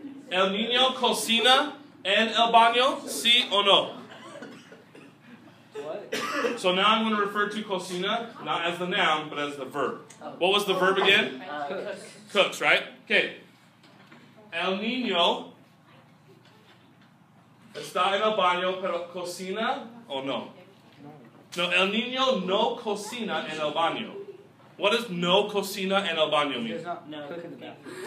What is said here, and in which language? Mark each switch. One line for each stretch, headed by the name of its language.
Spanish: El niño cocina en el baño, sí o no?
English: What? So now I'm going to refer to cocina, not as the noun, but as the verb. What was the verb again? Cooks. Cooks, right? Okay.
Spanish: El niño está en el baño, pero cocina o no? No. No, el niño no cocina en el baño.
English: What does
Spanish: no cocina en el baño
English: mean? He's not cooking in the bathroom.